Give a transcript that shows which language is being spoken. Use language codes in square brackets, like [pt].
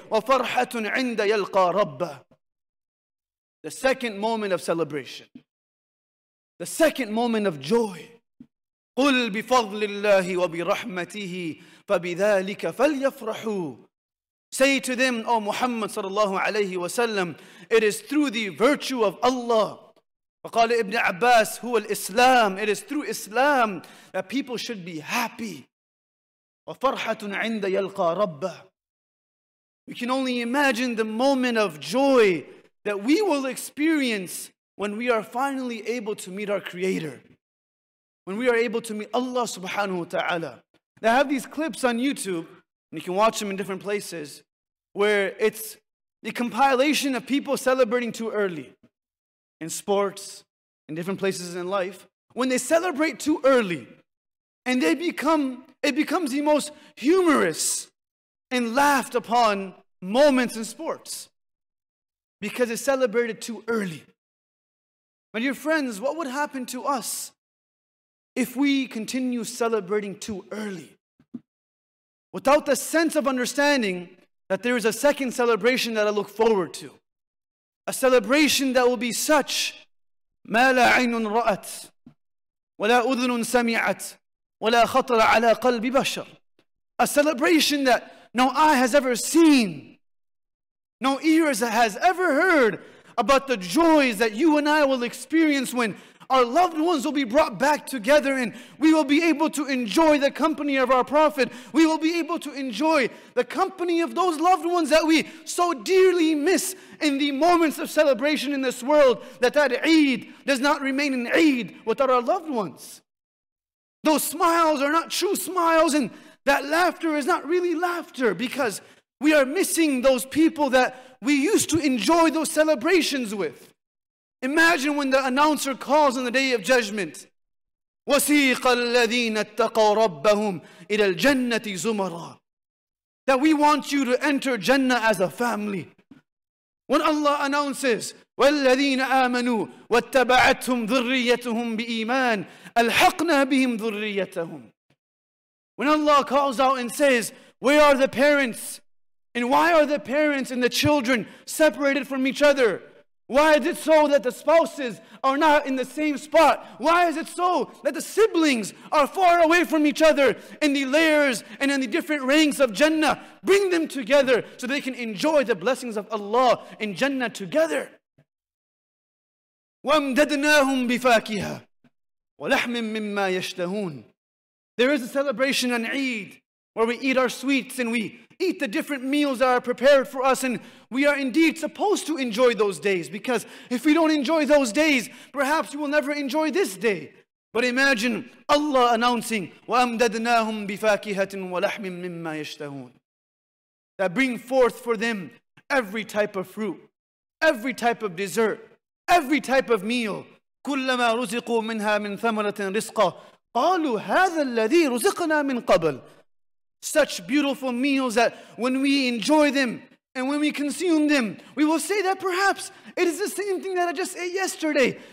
[ar] وَفَرْحَةٌ عِنْدَ يَلْقَى رَبَّهُ [en] The second moment of celebration. The second moment of joy. [ar] قُلْ بِفَضْلِ اللَّهِ وَبِرَحْمَتِهِ فَبِذَلِكَ فَلْيَفْرَحُوا [en] Say to them, O Muhammad sallallahu alayhi wa sallam, it is through the virtue of Allah [ar] وقال ابن عباس هو الإسلام. [en] It is through Islam that people should be happy. [ar] وفرحة عند يلقى ربه. [en] We can only imagine the moment of joy that we will experience when we are finally able to meet our Creator. When we are able to meet Allah subhanahu wa ta'ala. They have these clips on YouTube, and you can watch them in different places, where it's the compilation of people celebrating too early. In sports, in different places in life. When they celebrate too early, and they become, it becomes the most humorous and laughed upon moments in sports. Because it's celebrated too early. My dear friends, what would happen to us if we continue celebrating too early? Without the sense of understanding that there is a second celebration that I look forward to. A celebration that will be such, [ar] ما لا عين رأت ولا أذن سمعت ولا خطر على قلب بشر. [en] A celebration that no eye has ever seen, no ear has ever heard about the joys that you and I will experience when our loved ones will be brought back together and we will be able to enjoy the company of our Prophet. We will be able to enjoy the company of those loved ones that we so dearly miss in the moments of celebration in this world, that Eid does not remain an Eid without our loved ones. Those smiles are not true smiles, and that laughter is not really laughter because we are missing those people that we used to enjoy those celebrations with. Imagine when the announcer calls on the Day of Judgment. [ar] وَسِيقَ الَّذِينَ اتَّقَوْ رَبَّهُمْ إِلَى الْجَنَّةِ زُمَرًا. [en] That we want you to enter Jannah as a family. When Allah announces, [ar] وَالَّذِينَ آمَنُوا وَاتَّبَعَتْهُمْ ذُرِّيَّتُهُمْ بِإِيمَانِ أَلْحَقْنَا بِهِمْ ذُرِّيَّتَهُمْ. [en] When Allah calls out and says, where are the parents? And why are the parents and the children separated from each other? Why is it so that the spouses are not in the same spot? Why is it so that the siblings are far away from each other in the layers and in the different ranks of Jannah? Bring them together so they can enjoy the blessings of Allah in Jannah together. [ar] وَأَمْدَدْنَاهُمْ بِفَاكِهَا وَلَحْمٍ مِّمَّا يَشْتَهُونَ. [en] There is a celebration on Eid where we eat our sweets and we eat the different meals that are prepared for us, and we are indeed supposed to enjoy those days, because if we don't enjoy those days, perhaps we will never enjoy this day. But imagine Allah announcing, [ar] وَأَمْدَدْنَاهُمْ بِفَاكِهَةٍ وَلَحْمٍ مِّمَّا يَشْتَهُونَ. [en] That bring forth for them every type of fruit, every type of dessert, every type of meal. [ar] كُلَّمَا رُزِقُوا مِنْهَا مِنْ ثَمَرَةٍ رِزْقًا. قَالُوا هَذَا الَّذِي رُزِقْنَا مِنْ قَبْلِ. [en] Such beautiful meals that when we enjoy them and when we consume them, we will say that perhaps it is the same thing that I just ate yesterday.